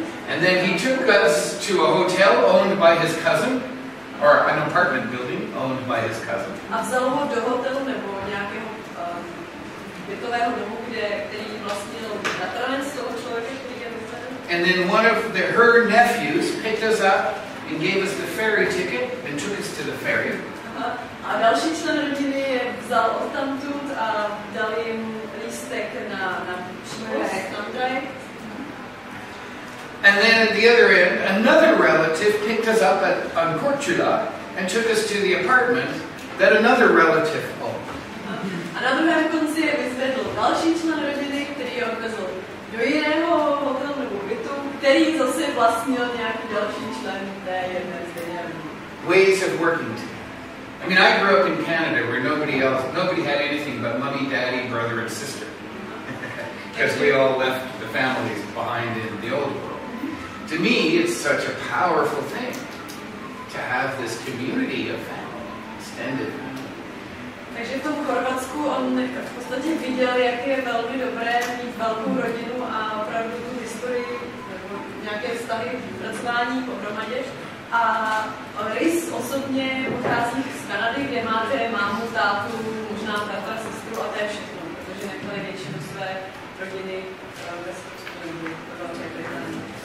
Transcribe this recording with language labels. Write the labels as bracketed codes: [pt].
[en] And then he took us to a hotel owned by his cousin. Or an apartment building owned by his cousin. [cs] A vzal ho do hotelu nebo nějakého bytového domu, který vlastnil bratranec toho člověka, který je [en] And then one of the, her nephews picked us up and gave us the ferry ticket and took us to the ferry. [cs] A další člen rodiny je vzal odtamtud a dal jim lístek na tramvaj. [en] And then at the other end, another relative picked us up at on Korčulák and took us to the apartment that another relative owned. [cs] A na druhém konci je vyzvedl další člen rodiny, který ho vezl do jiného hotelu nebo bytu, který zase vlastnil nějaký další člen té jedné rodiny. [en] Ways of working together. I mean, I grew up in Canada where nobody had anything but mommy, daddy, brother, and sister. Because we all left the families behind in the old world. To me, it's such a powerful thing to have this community of family, extended family. [cs] Takže v tom Chorvatsku on v podstatě viděl, jak je velmi dobré mít velkou rodinu a opravdu tu historii, nějaké vztahy, pracování pohromadě. A Rys osobně pochází z Kanady, kde máte mámu, tátu, možná bratra, sestru a to je všechno, protože nechali většinu své rodiny ve Velké Británii.